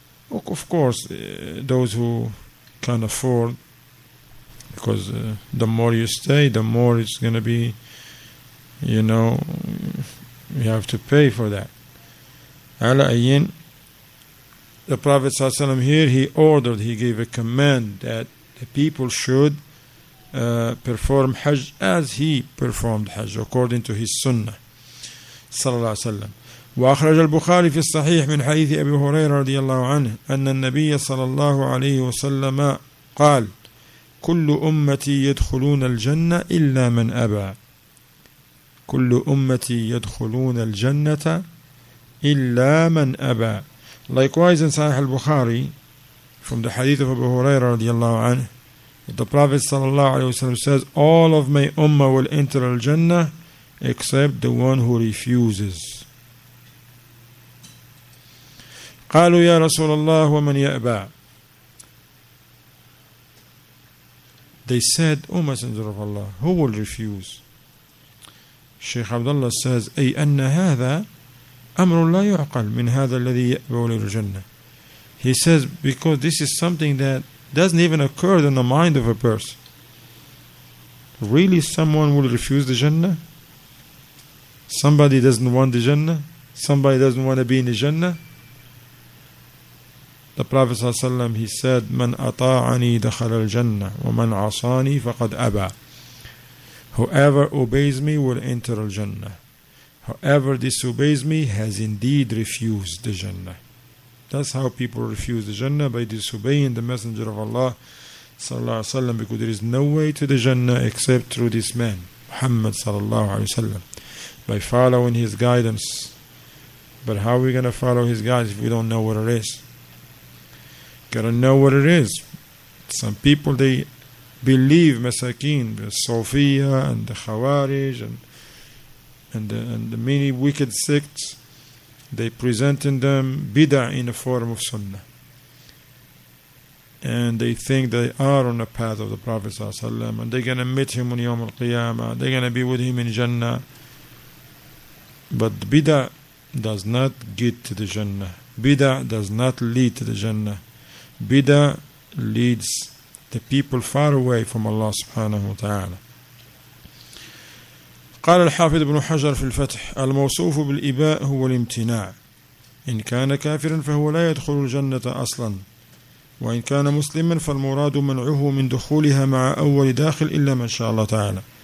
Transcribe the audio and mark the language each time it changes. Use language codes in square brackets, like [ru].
[en] Of course, those who can afford, because the more you stay, the more it's going to be, you know, you have to pay for that. Ala ayin, the Prophet ﷺ here, he ordered, he gave a command that the people should perform Hajj as he performed Hajj, according to his sunnah, sallallahu alaihi wasallam. [ar] وأخرج البخاري في الصحيح من حديث أبي هريرة رضي الله عنه أن النبي صلى الله عليه وسلم قال: كل أمتي يدخلون الجنة إلا من أبى. كل أمتي يدخلون الجنة إلا من أبى. [en] Likewise in صحيح البخاري from the hadith of Abu Huraira رضي الله عنه, the Prophet صلى الله عليه وسلم says, all of my ummah will enter al-Jannah except the one who refuses. [ar] قالوا يا رسول الله ومن يأبى. [en] They said, O Messenger of Allah, who will refuse? Sheikh Abdullah says, [ar] أي أن هذا أمر لا يعقل من هذا الذي يأبى للجنة. [en] He says, because this is something that doesn't even occur in the mind of a person. Really, someone will refuse the Jannah? Somebody doesn't want the Jannah? Somebody doesn't want to be in the Jannah? The Prophet صلى الله عليه وسلم, he said, [ar] من أطاعني دخل الجنة ومن عصاني فقد أبى. [en] Whoever obeys me will enter al-Jannah. Whoever disobeys me has indeed refused the Jannah. That's how people refuse the Jannah, by disobeying the Messenger of Allah صلى الله عليه وسلم, because there is no way to the Jannah except through this man, Muhammad صلى الله عليه وسلم, by following his guidance. But how are we going to follow his guidance if we don't know what it is? Gotta know what it is. Some people, they believe masakin, the Sufiya and the Khawarij and the many wicked sects, they presenting them bid'ah in the form of sunnah, and they think they are on the path of the Prophet صلى الله عليه وسلم, and they're gonna meet him on Yawm al-Qiyamah, they're gonna be with him in Jannah. But bid'ah does not get to the Jannah. Bid'ah does not lead to the Jannah. Bida leads the people far away from Allah subhanahu wa ta'ala. [ar] قال الحافظ ابن حجر في الفتح: الموصوف بالإباء هو الامتناع. إن كان كافرا فهو لا يدخل الجنة أصلا, وإن كان مسلما فالمراد منعه من دخولها مع أول داخل إلا ما شاء الله تعالى.